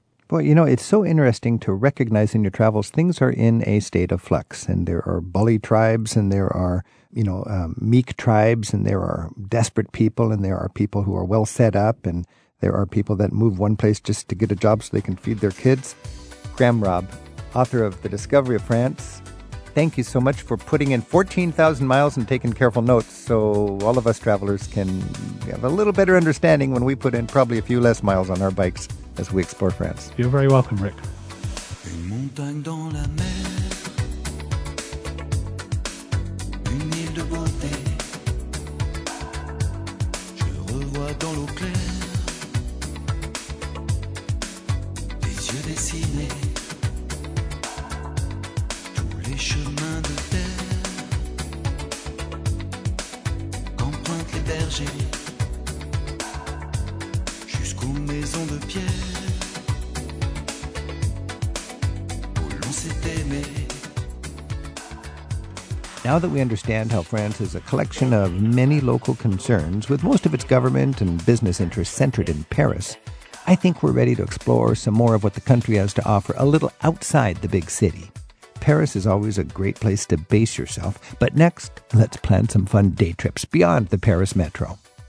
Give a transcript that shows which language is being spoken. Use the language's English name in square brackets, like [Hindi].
[English] Well, you know, it's so interesting to recognize in your travels things are in a state of flux, and there are bully tribes, and there are, you know, meek tribes, and there are desperate people, and there are people who are well set up, and there are people that move one place just to get a job so they can feed their kids. Graham Robb, author of The Discovery of France, thank you so much for putting in 14,000 miles and taking careful notes so all of us travelers can have a little better understanding when we put in probably a few less miles on our bikes as we explore France. You're very welcome, Rick. [French] Une montagne dans la mer, une île de beauté. Je revois dans l'eau claire des yeux dessinés. Chemin de terre qu'empruntent les bergers jusqu'aux maisons de pierre où l'on s'est aimé. [English] Now that we understand how France is a collection of many local concerns, with most of its government and business interests centered in Paris, I think we're ready to explore some more of what the country has to offer a little outside the big city. Paris is always a great place to base yourself, but next, let's plan some fun day trips beyond the Paris metro.